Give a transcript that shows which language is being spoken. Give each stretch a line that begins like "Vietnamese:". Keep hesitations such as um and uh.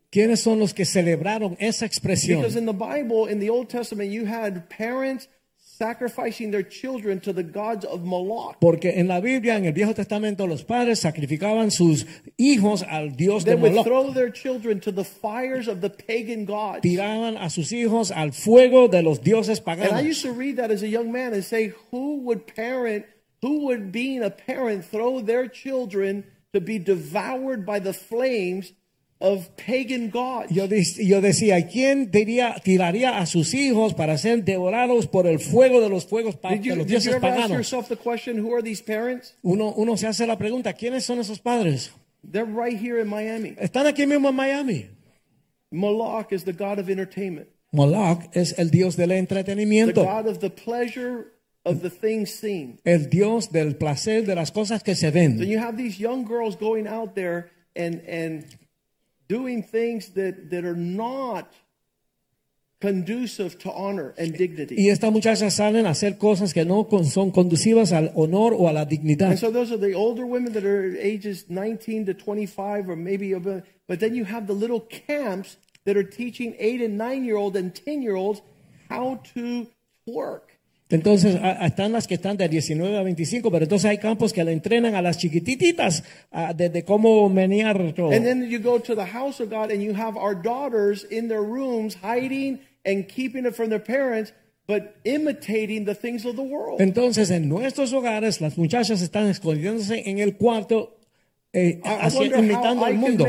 English: Because in the Bible, in the Old Testament, you had parents sacrificing their children to the gods of Moloch.
Spanish: Porque en la Biblia, en el Viejo Testamento, los padres sacrificaban sus hijos al dios they de Moloch.
English: They would
Spanish: Moloch.
English: throw their children to the fires of the pagan gods.
Spanish: Tiraban a sus hijos al fuego de los dioses paganos.
English: And I used to read that as a young man and say, who would parent, who would being a parent throw their children to be devoured by the flames Of pagan gods.
Spanish: Yo, de, yo, decía, ¿quién diría, tiraría a sus hijos para ser devorados por el fuego de los fuegos para los dioses paganos?
English: Question,
Spanish: uno, uno, se hace la pregunta, ¿quiénes son esos padres?
English: They're right here in Miami.
Spanish: Están aquí mismo en Miami.
English: Moloch is the god of entertainment.
Spanish: Moloch es el dios del entretenimiento.
English: The god of the pleasure of the things seen.
Spanish: El dios del placer de las cosas que se ven.
English: So you have these young girls going out there and, and doing things that, that, are not conducive to honor and dignity.
Spanish: Y estas muchachas salen a hacer cosas que no son conducivas al honor o a la dignidad.
English: And so those are the older women that are ages 19 to 25 or maybe a but then you have the little camps that are teaching 8 and 9 year old and 10 year olds how to work.
Spanish: Entonces, están las que están de diecinueve a veinticinco, pero entonces hay campos que la entrenan a las chiquititas desde de cómo menear todo.
English: And then you go to the house of God and you have our daughters in their rooms hiding and keeping it from their parents. But imitating the things of the world.
Spanish: Entonces, en nuestros hogares, las muchachas están escondiéndose en el cuarto, eh, así, imitando al mundo.